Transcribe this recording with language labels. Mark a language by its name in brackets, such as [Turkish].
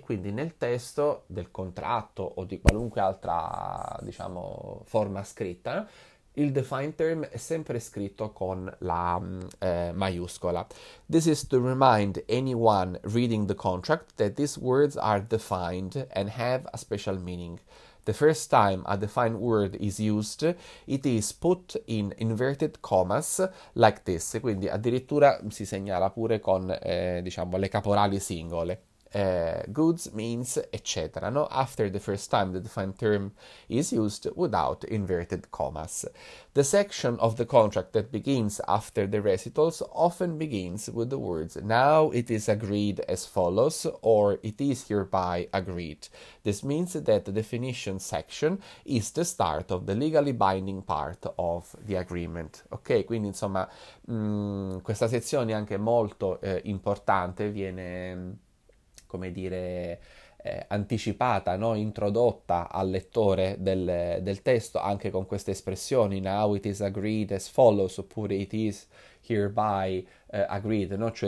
[Italian] E quindi nel testo del contratto o di qualunque altra, diciamo, forma scritta, il defined term è sempre scritto con la maiuscola. [English] This is to remind anyone reading the contract that these words are defined and have a special meaning. The first time a defined word is used, it is put in inverted commas like this. [Italian] Quindi addirittura si segnala pure con diciamo, le caporali singole. [English] Goods means [Italian] eccetera, no? [English] After the first time the defined term is used without inverted commas. The section of the contract that begins after the recitals often begins with the words "Now it is agreed as follows" or "It is hereby agreed." This means that the definition section is the start of the legally binding part of the agreement. [Italian] Ok, quindi insomma, questa sezione è anche molto importante, viene, come dire, anticipata, no? Introdotta al lettore del testo anche con queste espressioni, [English] now it is agreed as follows, [Italian] oppure [English] it is hereby agreed, [Italian] no?